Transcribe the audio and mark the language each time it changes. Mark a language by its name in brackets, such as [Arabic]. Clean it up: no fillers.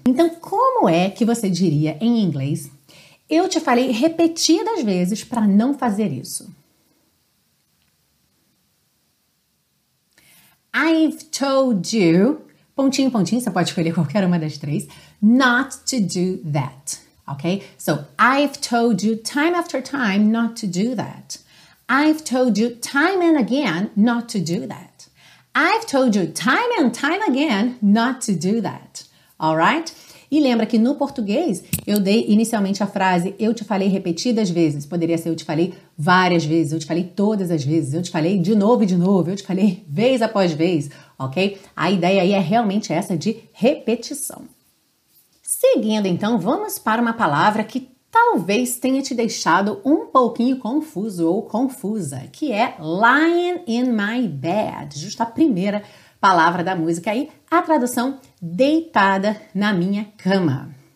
[Portuguese] Então, como é que você diria em inglês? Eu te falei repetidas vezes para não fazer isso. [English] I've told you, [Portuguese] pontinho, pontinho, você pode escolher qualquer uma das três, [English] not to do that, [Portuguese] ok? [English] So, I've told you time after time not to do that. I've told you time and again not to do that. I've told you time and time again not to do that, all right? [Portuguese] E lembra que no português, eu dei inicialmente a frase, eu te falei repetidas vezes, poderia ser eu te falei várias vezes, eu te falei todas as vezes, eu te falei de novo e de novo, eu te falei vez após vez, ok? A ideia aí é realmente essa de repetição. Seguindo então, vamos para uma palavra que talvez tenha te deixado um pouquinho confuso ou confusa, que é [English] lying in my bed, [Portuguese] justo a primeira palavra da música aí, a tradução deitada na minha cama.